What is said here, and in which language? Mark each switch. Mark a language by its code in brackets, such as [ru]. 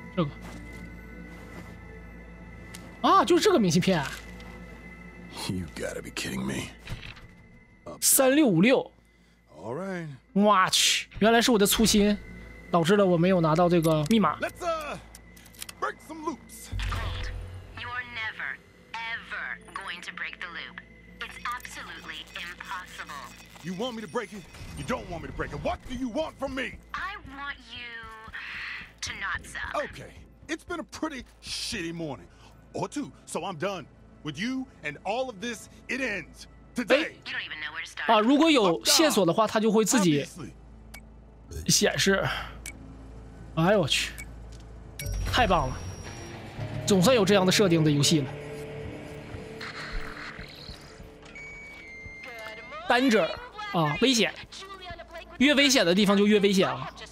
[zh] 这个啊，就是这个明信片。 [en] You gotta be kidding me. [zh] 3656。 [en] All right. [zh] 我去，原来是我的粗心，导致了我没有拿到这个密码。 [en] Let's break some loops. Cold. You are never, ever going to break the loop. It's absolutely impossible. You want me to break it? You don't want me to break it. What do you want from me? I want you. To not suck. Okay, it's been a pretty shitty morning, or two. So I'm done with you and all of this. It ends today. You don't even know where to start. [zh] 如果有线索的话，它就会自己显示。哎呦我去，太棒了！总算有这样的设定的游戏了。 Danger 啊，危险，越危险的地方就越危险啊。